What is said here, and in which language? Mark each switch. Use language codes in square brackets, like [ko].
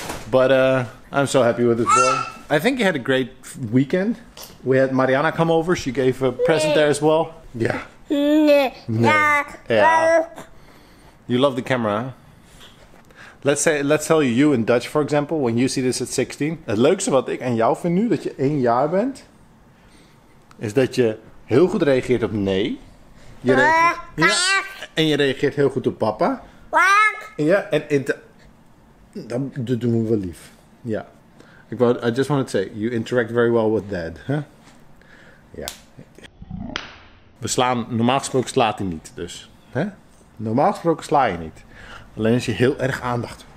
[en] But I'm so happy with this boy. I think he had a great weekend. We had Mariana come over. She gave a present there as well. Yeah. Yeah. You love the camera. Let's tell you in Dutch, for example, when you see this at 16. [nl] Het leukste wat ik aan jou vind nu, dat je 1 jaar bent, is dat je heel goed reageert op nee. Je reageert, ja. En je reageert heel goed op papa. Ja, en dan doen we wel lief. Ja. [en] I just want to say, you interact very well with dad, hè? [nl] Huh? Ja. We slaan, normaal gesproken slaat hij niet, dus. Hè? Normaal gesproken sla je niet. Alleen als je heel erg aandacht.